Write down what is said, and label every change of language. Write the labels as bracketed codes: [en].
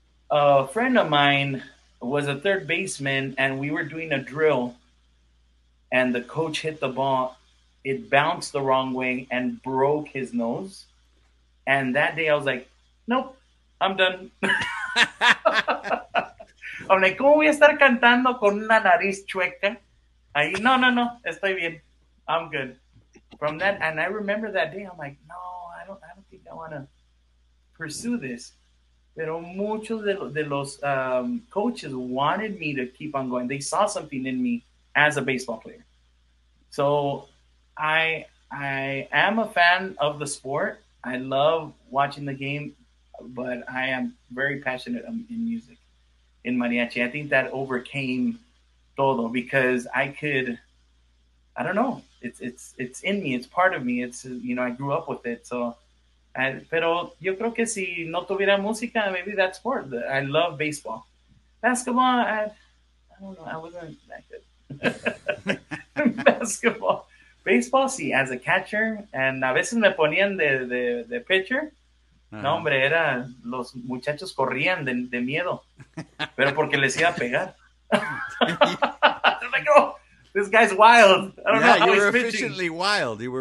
[en] A friend of mine was a third baseman, and we were doing a drill, and the coach hit the ball. It bounced the wrong way and broke his nose. And that day I was like, nope, I'm done. [es] Hombre, ¿cómo voy a estar cantando con una nariz chueca? Ahí, no, no, no, estoy bien. I'm good. [en] From that, and I remember that day, I'm like, no, I don't think I want to pursue this. Pero muchos de los coaches wanted me to keep on going. They saw something in me as a baseball player. So I am a fan of the sport. I love watching the game, but I am very passionate in music, in mariachi. I think that overcame todo because I could, I don't know. It's in me. It's part of me. It's, you know, I grew up with it. [es] So, pero yo creo que si no tuviera música, maybe that sport. [en] I love baseball. Basketball, I don't know. I wasn't that good. Basketball. Baseball, sí, as a catcher. [es] And a veces me ponían de pitcher. No, hombre, era los muchachos corrían de miedo. Pero porque les iba a pegar. [en] They're like, oh, this guy's wild. I don't know. You were efficiently wild.